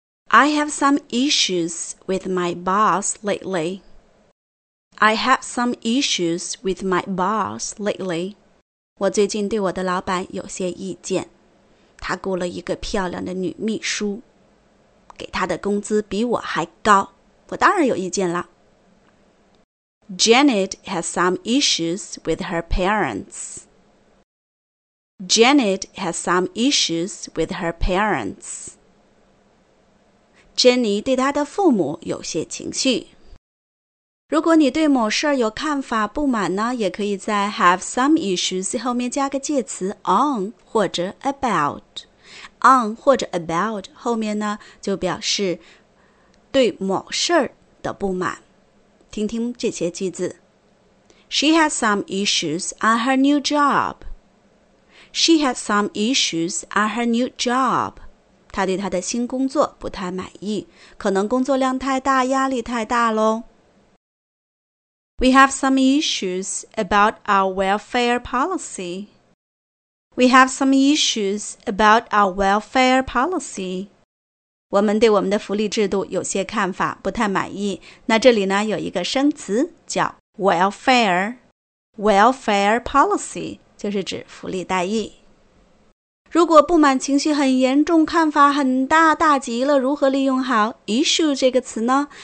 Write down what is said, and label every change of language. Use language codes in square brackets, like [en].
[en] I have some issues with my boss lately. I have some issues with my boss lately. [zh] 我最近对我的老板有些意见。他雇了一个漂亮的女秘书，给她的工资比我还高，我当然有意见了。 [en] Janet has some issues with her parents. Janet has some issues with her parents. [zh] 珍妮对她的父母有些情绪。如果你对某事有看法不满呢，也可以在 [en] have some issues [zh] 后面加个介词 on 或者 about。 on 或者 about 后面呢就表示对某事的不满。听听这些句子。 [en] She has some issues on her new job. She has some issues on her new job. [zh] 他对他的新工作不太满意，可能工作量太大，压力太大咯。 [en] We have some issues about our welfare policy. We have some issues about our welfare policy. [zh] 我们对我们的福利制度有些看法，不太满意。那这里呢，有一个生词叫 welfare. Welfare policy 就是指福利待遇。如果不满情绪很严重，看法很大，大极了，如何利用好 issue 这个词呢？